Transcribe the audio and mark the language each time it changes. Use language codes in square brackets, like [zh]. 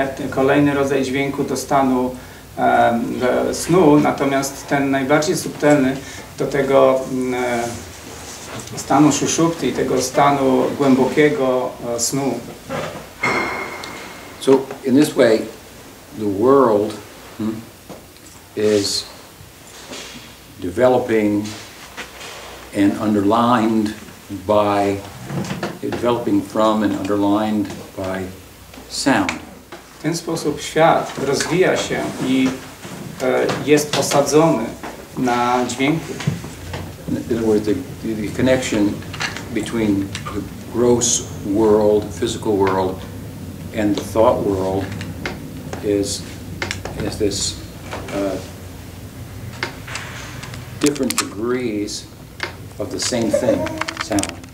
[pl] Kolejny rodzaj dźwięku do stanu snu, natomiast ten najbardziej subtelny do tego stanu szuszupty, tego stanu głębokiego snu. [en] So in this way the world is developing and underlined by developing from and underlined by sound. [pl] W ten sposób świat rozwija się i jest osadzony na dźwięku. [en] In other words, the connection between the gross world, physical world, and the thought world is this different degrees of the same thing, sound.